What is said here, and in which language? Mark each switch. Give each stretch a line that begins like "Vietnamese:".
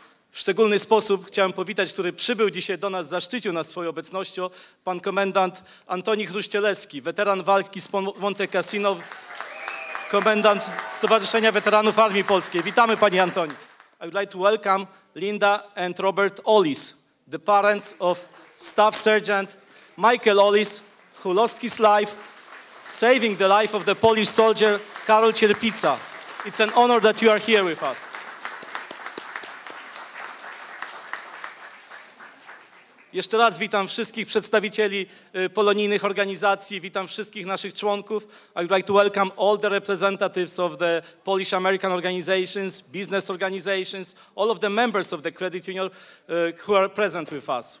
Polish: W szczególny sposób chciałem powitać, który przybył dzisiaj do nas, zaszczycił nas swoją obecnością, pan komendant Antoni Chruścielewski, weteran walki z Monte Cassino, komendant Stowarzyszenia Weteranów Armii Polskiej. Witamy, panie Antoni.
English: I would like to welcome Linda and Robert Ollis, the parents of Staff Sergeant Michael Ollis, who lost his life saving the life of the Polish soldier Karol Cierpica. It's an honor that you are here with us.
Polish: Jeszcze raz witam wszystkich przedstawicieli polonijnych organizacji, witam wszystkich naszych członków.
English: I would like to welcome all the representatives of the Polish-American organizations, business organizations, all of the members of the credit union who are present with us.